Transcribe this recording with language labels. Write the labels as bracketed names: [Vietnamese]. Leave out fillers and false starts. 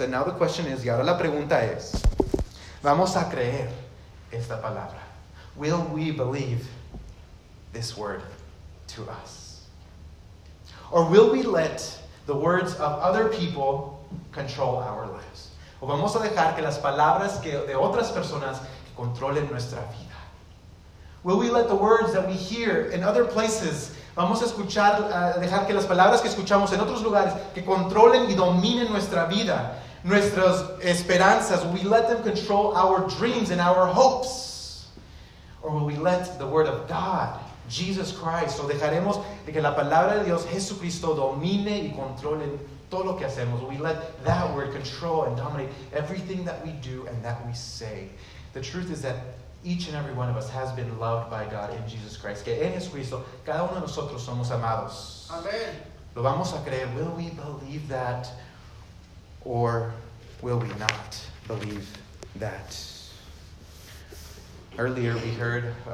[English] And now the question is, [Spanish] y ahora la pregunta es, ¿vamos a creer esta palabra? [English] Will we believe this word to us? Or will we let the words of other people control our lives? [Spanish] ¿O vamos a dejar que las palabras que de otras personas controlen nuestra vida? [English] Will we let the words that we hear in other places, [Spanish] vamos a escuchar, dejar que las palabras que escuchamos en otros lugares que controlen y dominen nuestra vida, nuestras esperanzas, [English] will we let them control our dreams and our hopes? Or will we let the word of God, Jesus Christ, [Spanish] o dejaremos de que la palabra de Dios, Jesucristo, domine y controle todo lo que hacemos? [English] Will we let that word control and dominate everything that we do and that we say? The truth is that each and every one of us has been loved by God in Jesus Christ. [Spanish] Que en Jesucristo, cada uno de nosotros somos amados. Amen. Lo vamos a creer. [English] Will we believe that? Or will we not believe that? Earlier we heard